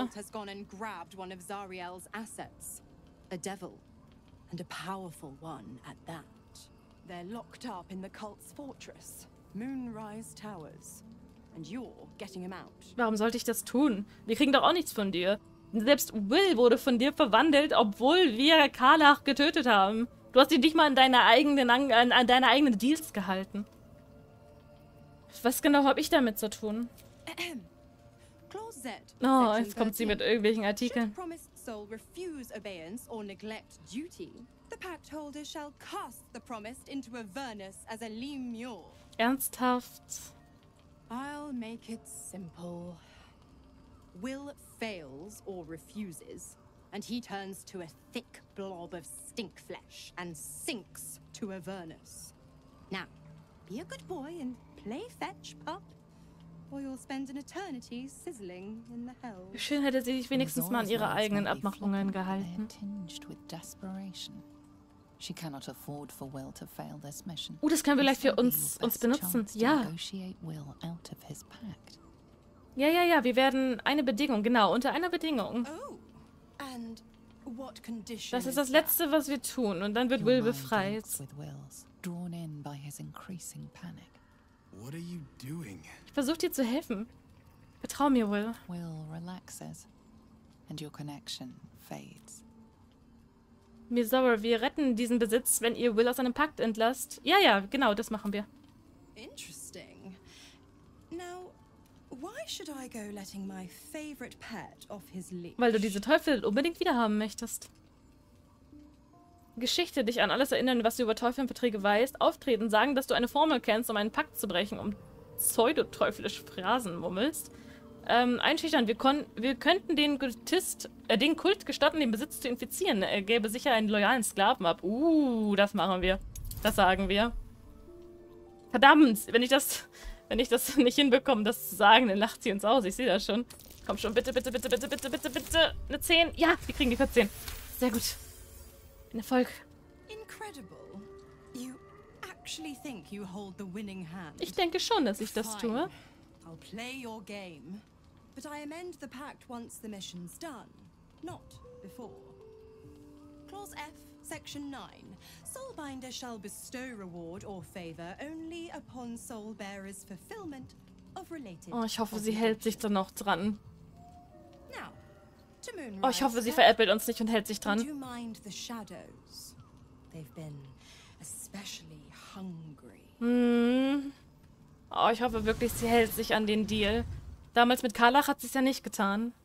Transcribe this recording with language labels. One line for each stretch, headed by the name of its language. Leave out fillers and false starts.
English: Absolute Cult has gone and grabbed one of Zariel's assets. A devil. And a powerful one at that. They're locked up in the cult's fortress. Moonrise Towers. And you're getting him out.
German: Warum sollte ich das tun? Wir kriegen doch auch nichts von dir. Selbst Will wurde von dir verwandelt, obwohl wir Karlach getötet haben. Du hast dich nicht mal an deine eigenen Deals gehalten. Was genau habe ich damit zu tun? Oh, jetzt kommt sie mit irgendwelchen Artikeln.
English: Should promised soul refuse obeyance or neglect duty, the pact holder shall cast the promised into Avernus as a lemur.
German: Ernsthaft?
English: I'll make it simple. Will fails or refuses, and he turns to a thick blob of stinkflesh and sinks to Avernus. Now, be a good boy and play fetch, pup, or you'll spend an eternity sizzling in the hell.
German: Schön hätte sie sich wenigstens mal an ihre eigenen Abmachungen gehalten.
English: Tinged with desperation. She cannot afford for Will to fail this mission.
German: Oh, das können wir vielleicht für uns benutzen. Ja.
English: Will out of his pact.
German: Ja, ja, ja, wir werden eine Bedingung, genau, unter einer Bedingung.
English: Oh. And what condition?
German: Das ist das Letzte, was wir tun, und dann wird Will befreit.
English: With Will's, drawn in by his increasing panic. What are you doing?
German: Ich versuche dir zu helfen. Vertrau mir, Will.
English: Will relaxes, and your connection fades.
German: Mizora, wir retten diesen Besitz, wenn ihr Will aus einem Pakt entlasst. Ja, ja, genau, das machen wir.
English: Interesting. Now, why should I go letting my favorite pet off his leash?
German: Weil du diese Teufel unbedingt wiederhaben möchtest. Geschichte, dich an alles erinnern, was du über Teufel und Verträge weißt, auftreten, sagen, dass du eine Formel kennst, um einen Pakt zu brechen, um pseudoteuflische Phrasen mummelst. Einschüchtern, wir könnten den Kult gestatten, den Besitz zu infizieren. Er gäbe sicher einen loyalen Sklaven ab. Das machen wir. Das sagen wir. Verdammt, wenn ich das nicht hinbekomme, das zu sagen, dann lacht sie uns aus. Ich sehe das schon. Komm schon, bitte, bitte, bitte, bitte, bitte, bitte, bitte. Eine 10. Ja, wir kriegen die 14. Sehr gut. Ein Erfolg.
English: Incredible. You actually think you hold the winning hand.
German: Ich denke schon, dass ich das tue.
English: I'll play your game. But I amend the pact once the mission's done, not before. Clause F, Section 9. Soulbinder shall bestow reward or favor only upon Soulbearer's fulfillment of related...
German: Oh, ich hoffe, sie hält sich dann noch dran.
English: Now, to Moonrise.
German: Oh, ich hoffe, sie veräppelt uns nicht und hält sich dran.
English: Do you mind the shadows? They've been especially hungry.
German: Oh, ich hoffe wirklich, sie hält sich an den Deal. Damals mit Karlach hat sie es ja nicht getan.